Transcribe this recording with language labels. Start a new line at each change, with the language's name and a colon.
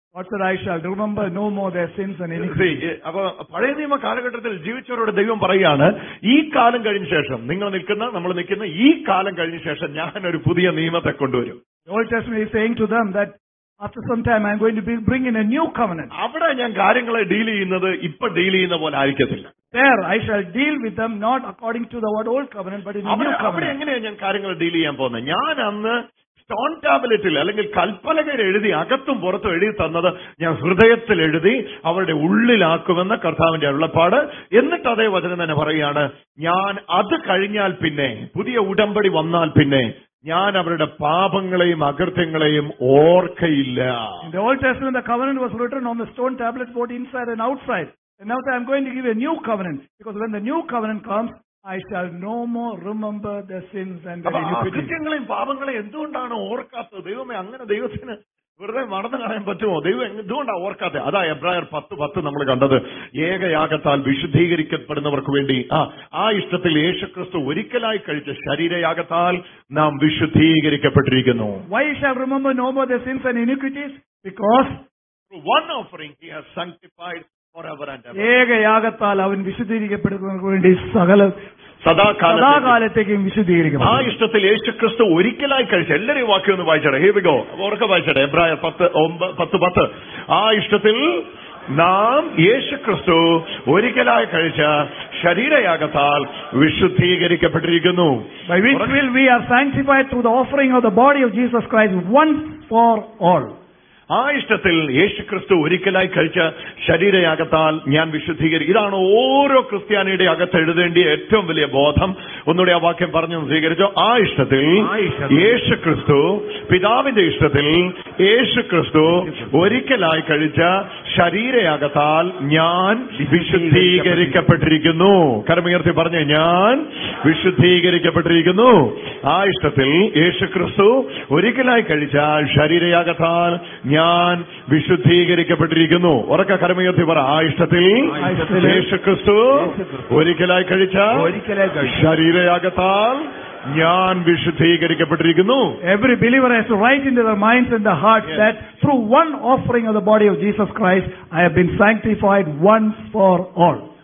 English: God said, I shall remember no more their sins and iniquities.
Malayalam: അപ്പൊ പഴയ നിയമ കാലഘട്ടത്തിൽ ജീവിച്ചവരോട് ദൈവം പറയുകയാണ്, ഈ കാലം കഴിഞ്ഞ ശേഷം നിങ്ങൾ നിൽക്കുന്ന, നമ്മൾ നിൽക്കുന്ന ഈ കാലം കഴിഞ്ഞ ശേഷം ഞാൻ ഒരു പുതിയ നിയമത്തെ കൊണ്ടുവരും.
English: The Old Testament is saying to them that after some time I'm going to be bring in a new covenant.
Malayalam: അവിടെ ഞാൻ കാര്യങ്ങളെ ഡീൽ ചെയ്യുന്നത് ഇപ്പൊ ഡീൽ ചെയ്യുന്ന പോലെ ആയിരിക്കത്തില്ല.
English: There I shall deal with them not according to the old covenant but in a new covenant.
Malayalam: അവിടെ എങ്ങനെയാണ് ഞാൻ കാര്യങ്ങൾ ഡീൽ ചെയ്യാൻ പോകുന്നത്? ഞാൻ അന്ന് സ്റ്റോൺ ടാബ്ലറ്റിൽ അല്ലെങ്കിൽ കൽപ്പലകയിൽ എഴുതി അകത്തും പുറത്തും എഴുതി തന്നത് ഞാൻ ഹൃദയത്തിൽ എഴുതി അവരുടെ ഉള്ളിലാക്കുമെന്ന് കർത്താവിന്റെ അരുളപ്പാട്. എന്നിട്ട് അതേ വചനം തന്നെ പറയുകയാണ്, ഞാൻ അത് കഴിഞ്ഞാൽ പിന്നെ, പുതിയ ഉടമ്പടി വന്നാൽ പിന്നെ, ഞാൻ അവരുടെ പാപങ്ങളെയും അകൃത്യങ്ങളെയും ഓർക്കയില്ല.
English: The Old Testament, the covenant was written on the stone tablet both inside and outside. And now I'm going to give a new covenant, because when the new covenant comes, I shall no more remember the sins and the iniquities.
Malayalam: അകൃത്യങ്ങളെയും പാപങ്ങളെയും എന്തുകൊണ്ടാണ് ഓർക്കാത്തത്? ദൈവമേ, അങ്ങനെ ദൈവത്തിന് വെറുതെ മറന്നു കളയാൻ പറ്റുമോ? ദൈവം എന്തുകൊണ്ടാണ് ഓർക്കാത്തത്? അതാ എബ്രായർ 10:10 നമ്മൾ കണ്ടത്. ഏകയാഗത്താൽ വിശുദ്ധീകരിക്കപ്പെടുന്നവർക്ക് വേണ്ടി ആ ഇഷ്ടത്തിൽ യേശുക്രിസ്തു ഒരിക്കലായി കഴിച്ച ശരീരയാഗത്താൽ നാം വിശുദ്ധീകരിക്കപ്പെട്ടിരിക്കുന്നു.
English: Why shall remember no more the sins and iniquities? Because through one offering he has sanctified forever and ever.
Malayalam: ഏകയാഗത്താൽ അവൻ വിശുദ്ധീകരിക്കപ്പെടുന്നവർക്ക് വേണ്ടി സകല സദാകാലത്തേക്കും വിശുദ്ധീകരിക്കും. ആ ഇഷ്ടത്തിൽ യേശുക്രിസ്തു ഒരിക്കലായി കഴിച്ച, എല്ലാരെയും വാക്യം ഒന്ന് വായിച്ചടെ,
English: here we go,
Malayalam: ഓർക്ക വായിച്ചടെ, എബ്രായ 10:10. ആ ഇഷ്ടത്തിൽ നാം യേശുക്രിസ്തു ഒരിക്കലായി കഴിച്ച ശരീരയാഗത്താൽ വിശുദ്ധീകരിക്കപ്പെട്ടിരിക്കുന്നു. By which will we are sanctified through the offering of the body of Jesus Christ once for all. ആ ഇഷ്ടത്തിൽ യേശു ക്രിസ്തു ഒരിക്കലായി കഴിച്ച ശരീരയാഗത്താൽ ഞാൻ വിശുദ്ധീകരിക്കും. ഇതാണ് ഓരോ ക്രിസ്ത്യാനിയുടെ അകത്ത് എഴുതേണ്ടിയ ഏറ്റവും വലിയ ബോധം. ഒന്നുകൂടി ആ വാക്യം പറഞ്ഞു സ്വീകരിച്ചോ. ആ ഇഷ്ടത്തിൽ യേശു ക്രിസ്തു, പിതാവിന്റെ ഇഷ്ടത്തിൽ യേശു ക്രിസ്തു ഒരിക്കലായി കഴിച്ച ശരീരയാഗത്താൽ ഞാൻ വിശുദ്ധീകരിക്കപ്പെട്ടിരിക്കുന്നു. കരമുയർത്തി പറഞ്ഞു, ഞാൻ വിശുദ്ധീകരിക്കപ്പെട്ടിരിക്കുന്നു. ആ ഇഷ്ടത്തിൽ യേശു ക്രിസ്തു ഒരിക്കലായി കഴിച്ച ശരീരയാഗത്താൽ ഞാൻ വിശുദ്ധീകരിക്കപ്പെട്ടിരിക്കുന്നു. ഉറക്ക കരമുയർത്തി പറ, ആ ഇഷ്ടത്തിൽ യേശു ക്രിസ്തു ഒരിക്കലായി കഴിച്ച ശരീരയാഗത്താൽ ഞാൻ വിശുദ്ധീകരിക്കപ്പെട്ടിരിക്കുന്നു.
English: Every believer has to write into their minds and their hearts, yes, that through one offering of the body of Jesus Christ, I have been sanctified once for all.